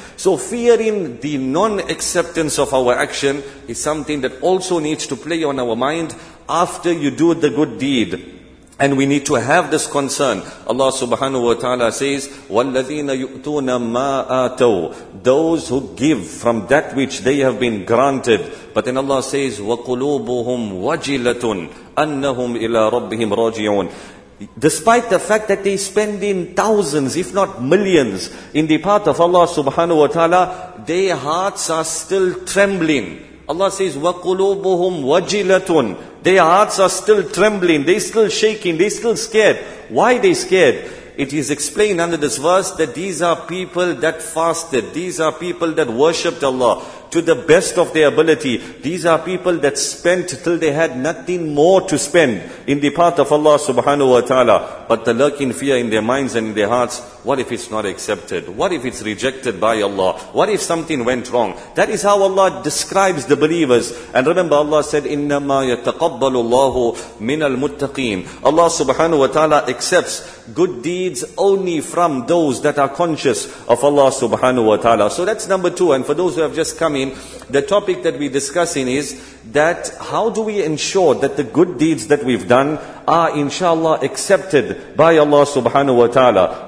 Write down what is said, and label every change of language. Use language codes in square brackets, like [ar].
[en] So fearing the non-acceptance of our action is something that also needs to play on our mind after you do the good deed. And we need to have this concern. Allah subhanahu wa ta'ala says, [ar] وَالَّذِينَ يُؤْتُونَ مَا آتَوْا. [en] Those who give from that which they have been granted. But then Allah says, [ar] وَقُلُوبُهُمْ وَجِلَةٌ أَنَّهُمْ إِلَىٰ رَبِّهِمْ رَاجِعُونَ. [en] Despite the fact that they spend in thousands, if not millions, in the path of Allah subhanahu wa ta'ala, their hearts are still trembling. Allah says, [ar] وَقُلُوبُهُمْ وَجِلَةٌ. [en] Their hearts are still trembling, they're still shaking, they're still scared. Why are they scared? It is explained under this verse that these are people that fasted, these are people that worshipped Allah to the best of their ability. These are people that spent till they had nothing more to spend in the path of Allah subhanahu wa ta'ala. But the lurking fear in their minds and in their hearts, what if it's not accepted? What if it's rejected by Allah? What if something went wrong? That is how Allah describes the believers. And remember, Allah said, [ar] إِنَّمَا يَتَقَبَّلُ اللَّهُ مِنَ الْمُتَّقِينَ. [en] Allah subhanahu wa ta'ala accepts good deeds only from those that are conscious of Allah subhanahu wa ta'ala. So that's number two. And for those who have just come in, the topic that we're discussing is that how do we ensure that the good deeds that we've done are inshallah accepted by Allah subhanahu wa ta'ala.